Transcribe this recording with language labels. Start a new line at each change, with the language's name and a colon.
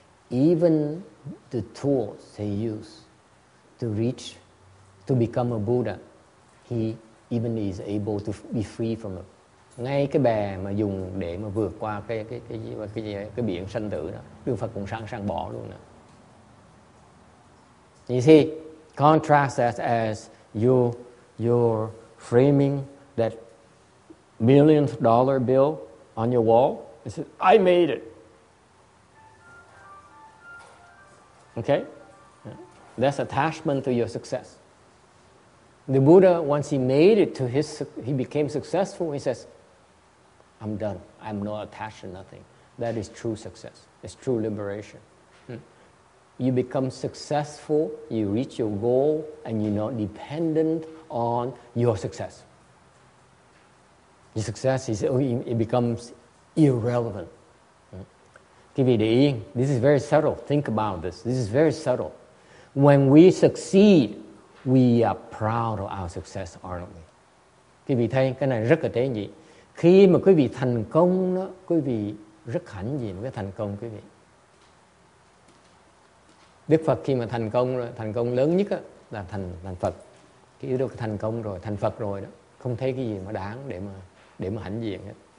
English: Even the tools he used to become a Buddha, he even is able to be free from it.
Vietnamese: Ngay cái bè mà dùng để mà vượt qua cái biển sanh tử đó, Đức Phật cũng sẵn sàng bỏ luôn nè.
English: You see, contrast that as your framing that $1 million bill on your wall. He says, I made it. Okay? That's attachment to your success. The Buddha, once he made it to his, he became successful, he says, I'm done. I'm not attached to nothing. That is true success. It's true liberation. You become successful, you reach your goal, and you're not dependent on your success. Your success is, it becomes irrelevant. This is very subtle. Think about this. This is very subtle. When we succeed, we are proud of our success, aren't we?
Vietnamese: Quý vị thấy cái này rất là tế nhị. Khi mà quý vị thành công, quý vị rất hãnh diện với thành công, quý vị. Đức Phật khi mà thành công lớn nhất là thành Phật. Cái yếu tố thành công rồi, thành Phật rồi đó. Không thấy cái gì mà đáng để mà hãnh diện hết.